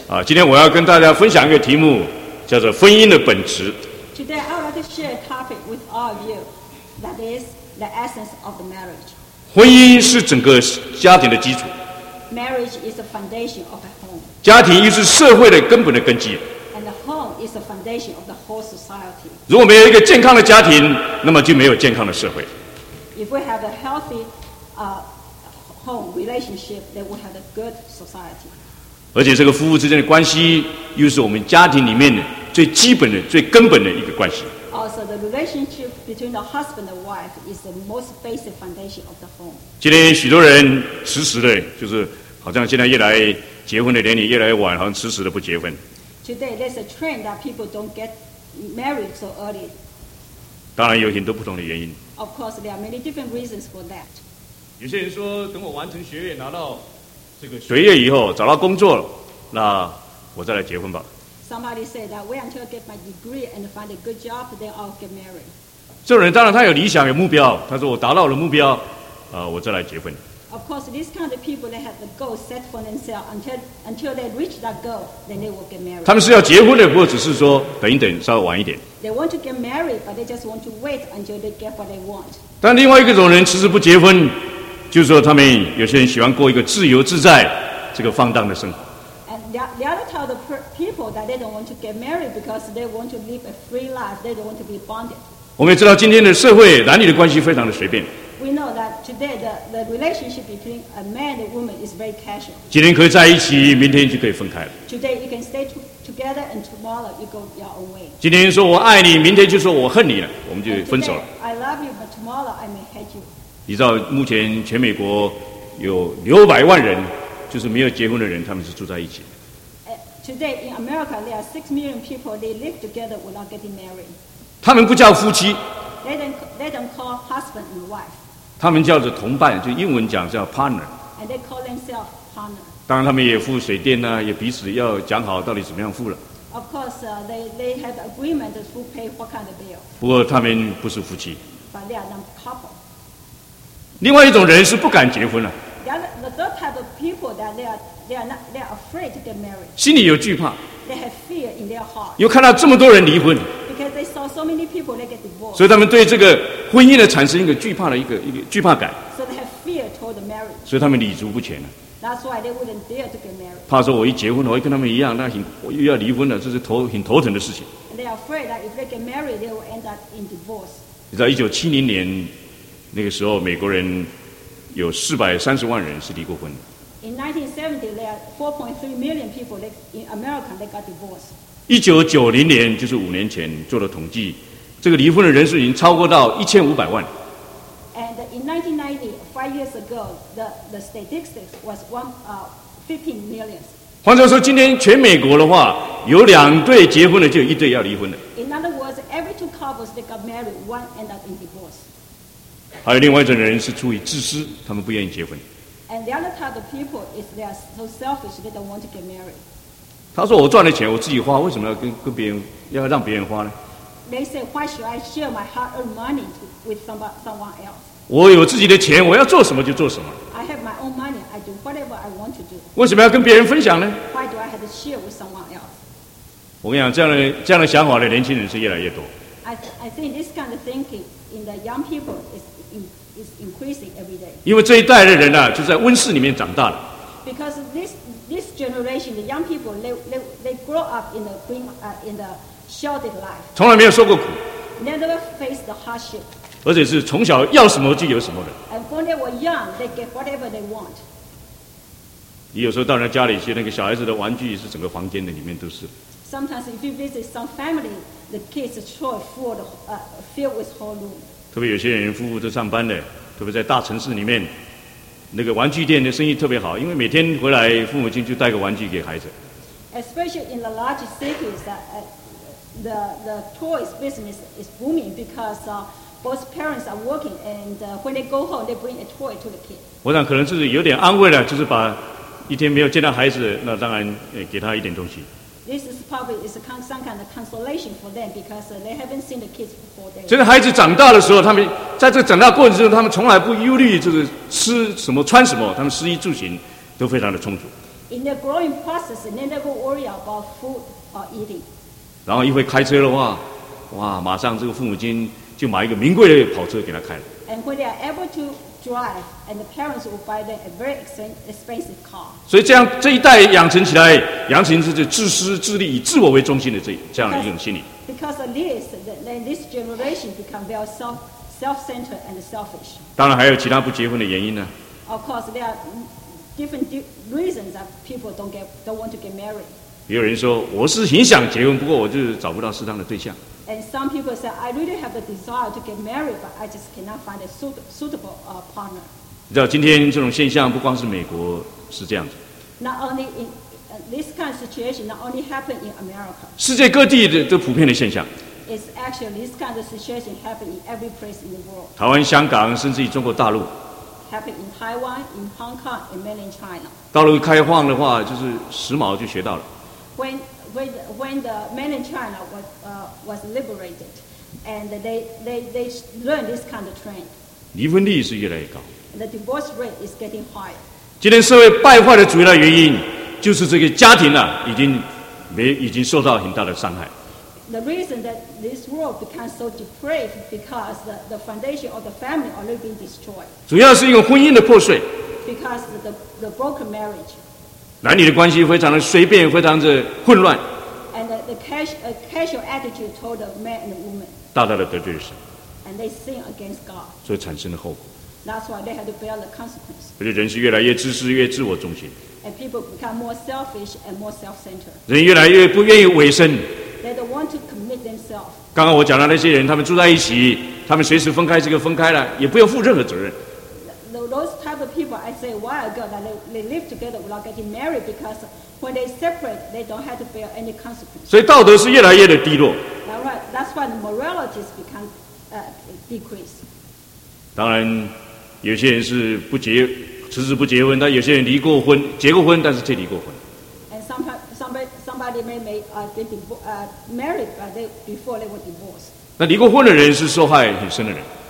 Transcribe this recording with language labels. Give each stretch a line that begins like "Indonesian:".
Chinese: 今天我要跟大家分享一个题目，叫做婚姻的本质。
English: Today I would like to share a topic with all of you. That is the essence of the marriage.
Chinese: 婚姻是整个家庭的基础。
English: Marriage is the foundation of a home.
Chinese: 家庭又是社会的根本的根基。
English: And the home is the foundation of the whole society.
Chinese: 如果没有一个健康的家庭，那么就没有健康的社会。
English: If we have a healthy home relationship, then we have a good society.
Chinese: 而且这个夫妇之间的关系又是我们家庭里面的最基本的、最根本的一个关系。
English: Also, the relationship between the husband and wife is the most basic foundation of the home.
Chinese: 今天许多人迟迟的，就是好像现在越来结婚的年龄越来越晚，好像迟迟的不结婚。
English: Today, there's a trend that people don't get married so early.
Chinese: 当然有很多不同的原因。
English: Of course, there are many different reasons for that.
Chinese: 有些人说，等我完成学业，拿到这个学业以后，找到工作，那我再来结婚吧。
English: Somebody said that wait until I get my degree and find a good job, then I'll get married.
Chinese: 这种人当然他有理想，有目标。他说我达到了目标，我再来结婚。
English: Of course, these kind of people they have the goal set for themselves until they reach that goal, then they will get married.
Chinese: 他们是要结婚的，不过只是说等一等，稍微晚一点。
English: They want to get married, but they just want to wait until they get what they want.
Chinese: 但另外一种人其实不结婚，就是说他们有些人喜欢过一个自由自在、这个放荡的生活。
English: And the other type of people that they don't want to get married because they want to live a free life. They don't want to be bonded.
Chinese: 我们也知道今天的社会男女的关系非常的随便。
English: We know that today the relationship between a man and a woman is very casual.
Chinese: 今天可以在一起，明天就可以分开了。
English: Today you can stay together and tomorrow you go your own way.
Chinese: 今天说我爱你，明天就说我恨你了，我们就分手了。
English: Today, I love you, but tomorrow I may hate you.
Chinese: 你知道目前全美国有600万人，就是没有结婚的人，他们是住在一起的。
English: Today in America there are 6 million people they live together without getting married.
Chinese: 他们不叫夫妻。
English: They don't call husband and wife.
Chinese: 他们叫做同伴，就英文讲叫 partner.
English: And they call themselves partner.
Chinese: 当然他们也付水电啊，也彼此要讲好到底怎么样付了。
English: Of course, they have agreement to who pay what kind of bill.
Chinese: 不过他们不是夫妻。
English: But they are not couple.
Chinese: 另外一种人是不敢结婚了。
English: The third type of people that they are afraid to get married.
Chinese: 心里有惧怕。
English: They have fear in their heart.
Chinese: 又看到这么多人离婚。
English: So many people, they get divorced.
Chinese: 所以他们对这个婚姻的产生一个惧怕的一个惧怕感。
English: So they have fear toward the marriage.
Chinese: 所以他们立足不前了。
English: That's why they wouldn't dare to get married.
Chinese: 怕说我一结婚，我会跟他们一样，那我又要离婚了，这是很头疼的事情。
English: And they are afraid that if they get married, they will end up in divorce.
Chinese: 你知道1970年那个时候，美国人有430万人是离过婚的。
English: In 1970, there are 4.3 million people in America that got divorced.
Chinese: 1990年，就是5年前做的统计，这个离婚的人数已经超过到1500万。
English: And in 1990, 5 years ago, the statistics was 15 million.
Chinese: 换句话说，今天全美国的话，有两对结婚的，就有一对要离婚的。
English: In other words, every two couples that got married, one end up in divorce.
Chinese: 还有另外一种人是出于自私，他们不愿意结婚。
English: And the other type of people is they are so selfish, they don't want to get married.
Chinese: 他说：“我赚的钱我自己花，为什么要跟别人要让别人花呢
English: ？”They say, "Why should I share my hard-earned money with someone else?"
Chinese: 我有自己的钱，我要做什么就做什么。
English: I have my own money. I do whatever I want to do.
Chinese: 为什么要跟别人分享呢
English: ？Why do I have to share with someone else?
Chinese: 我跟你讲，这样的想法的年轻人是越来越多。
English: I think this kind of thinking in the young people is increasing every day.
Chinese: 因为这一代的人呢、啊，就在温室里面长大了。
English: Because this generation, the young people, they grow up in the sheltered life.
Chinese: 从来没有受过苦。
English: Never faced the hardship.
Chinese: 而且是从小要什么就有什么的。
English: And when they were young, they get whatever they want.
Chinese: 你有时候到人家里去，那个小孩子的玩具是整个房间的里面都是。
English: Sometimes if you visit some family, the kids' toy filled with whole room.
Chinese: 特别有些人夫妇都上班的，特别在大城市里面。那个玩具店的生意特别好，因为每天回来父母亲就带个玩具给孩子。
English: Especially in the large cities, the toys business is booming because both parents are working and when they go home, they bring a toy to the kid.
Chinese: 我想可能是有点安慰了，就是把一天没有见到孩子，那当然给他一点东西。
English: This is probably is some kind of consolation for them because they haven't seen the kids before then.
Chinese: 就是孩子长大的时候，他们在这长大过程中，他们从来不忧虑，就是吃什么、穿什么，他们食衣住行都非常的充足。
English: In the growing process, they never worry about food or eating.
Chinese: 然后一会开车的话，哇，马上这个父母亲就买一个名贵的跑车给他开了。
English: And when they are able to drive, and the parents will buy them a very expensive car.
Chinese: 所以这样这一代养成起来，养成是自私自利、以自我为中心的这样的一种心理。
English: Because of this, then this generation become very self-centered and selfish.
Chinese: 当然还有其他不结婚的原因呢。
English: Of course, there are different reasons that people don't want to get married.
Chinese: 也有人说我是很想结婚，不过我就是找不到适当的对象。
English: And some people say, I really have a desire to get married, but I just cannot find a suitable partner.
Chinese: 你知道今天这种现象不光是美国是这样子。
English: Not only this kind of situation not only happened in America.
Chinese: 世界各地的普遍的现象。
English: It's actually this kind of situation happened in every place in the world.
Chinese: 台湾、香港，甚至于中国大陆。
English: Happened in Taiwan, in Hong Kong, and mainly in China.
Chinese: 大陆开放的话，就是时髦就学到了。
English: When the mainland China was liberated, and they learned this kind of trend.
Chinese: 离婚率是越来越高。
English: The divorce rate is getting higher.
Chinese: 今天社会败坏的主要原因。就是这个家庭啊，已经受到很大的伤害。
English: The reason that this world becomes so depraved because the foundation of the family already been destroyed.
Chinese: 主要是因为婚姻的破碎。
English: Because the broken marriage.
Chinese: 男女的关系非常的随便，非常的混乱。
English: And the casual attitude toward the man and the woman.
Chinese: 大大的得罪神。
English: And they sin against God.
Chinese: 所以产生的后果。
English: That's why they had to bear the consequence.
Chinese: 而且人是越来越自私，越自我中心。
English: And people become more selfish and more self-centered.
Chinese: 人越来越不愿意委身。
English: They don't want to commit themselves.
Chinese: 刚刚我讲到那些人，他们住在一起，他们随时分开，这个分开了，也不用负任何责任。
English: Those type of people, I say a while ago, that they live together without getting married because when they separate, they don't have to bear any consequence.
Chinese: 所以道德是越来越的低落。
English: That's why morality is become decreased.
Chinese: 当然，有些人是不结。迟迟不结婚，但有些人离过婚，结过婚，但是却离过婚。
English: And somebody may get married, but before they were divorced.
Chinese: 那离过婚的人是受害很深的人。